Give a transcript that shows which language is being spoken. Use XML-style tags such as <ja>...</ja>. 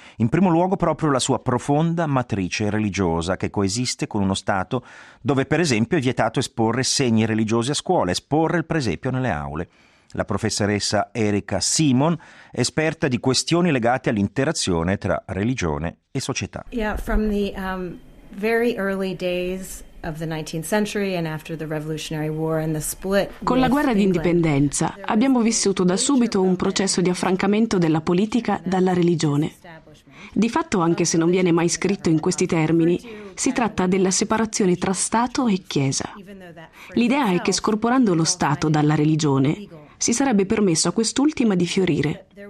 <it>In primo luogo proprio la sua profonda matrice religiosa che coesiste con uno Stato dove, per esempio, è vietato esporre segni religiosi a scuola, esporre il presepio nelle aule. La professoressa Erika Simon, esperta di questioni legate all'interazione tra religione e società.</it> <en>Yeah, from the very early days of the 19th century and after the Revolutionary War and the split.</en> <it>Con la guerra d'indipendenza abbiamo vissuto da subito un processo di affrancamento della politica dalla religione. Di fatto, anche se non viene mai scritto in questi termini, si tratta della separazione tra Stato e Chiesa. L'idea è che scorporando lo Stato dalla religione si sarebbe permesso a quest'ultima di fiorire.</it>